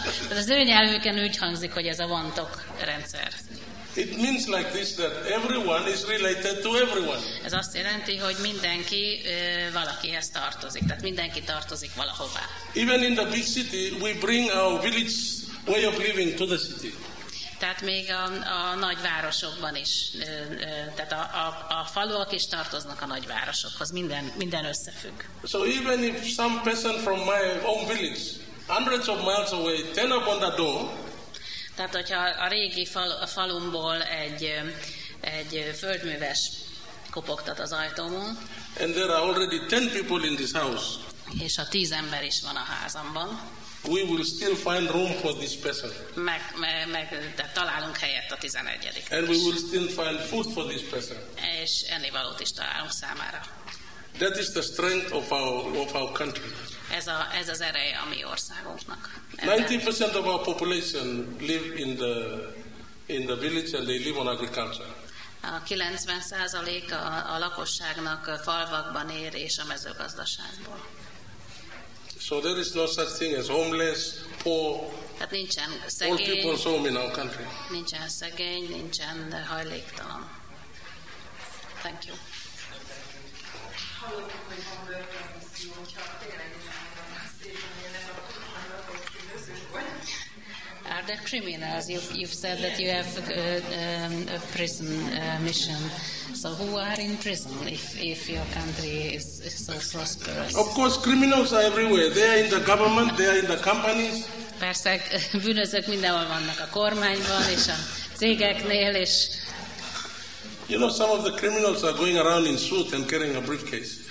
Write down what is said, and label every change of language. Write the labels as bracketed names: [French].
[Hungarian] Az ő nyelvükön úgy hangzik, hogy ez a one-talk rendszer. [English] It means like this, that everyone is related to everyone. [Hungarian] Ez azt jelenti, hogy mindenki valakihez tartozik, tehát mindenki tartozik valahová. [English] Even in the big city, we bring our village way of living to the city. [Hungarian] Tehát még a nagyvárosokban is, tehát a faluak is tartoznak a nagyvárosokhoz, minden összefügg. [English] So even if some person from my own village, hundreds of miles away, turn up on the door, [Hungarian] tehát, hogyha a régi falumból egy földműves kopogtat az ajtómon, [English] and there are already 10 people in this house, [Hungarian] és a 10 ember is van a házamban, [English] we will still find room for this person. [Hungarian] De találunk helyet a 11. [English] And we will still find food for this person. [Hungarian] És ennivalót is találunk számára. [English] That is the strength of our country. [Hungarian] Ez az ereje a mi országunknak. [English] 90% of our population live in the village and they live on agriculture. [Hungarian] A 90% a lakosságnak falvakban él és a mezőgazdaságból. [English] So there is no such thing as homeless, poor. [Hungarian] Hát nincsen szegény. [English] Old people's home in our country. [Hungarian] Nincsen szegény, nincsen hajléktalan. [English] Thank you. Are there criminals? You've said that you have a prison mission. So who are in prison if your country is so prosperous? Of course, criminals are everywhere. They are in the government, they are in the companies. [Hungarian] Persze, bűnözők mindenhol vannak, a kormányban és a cégeknél is. [English] You know, some of the criminals are going around in suit and carrying a briefcase.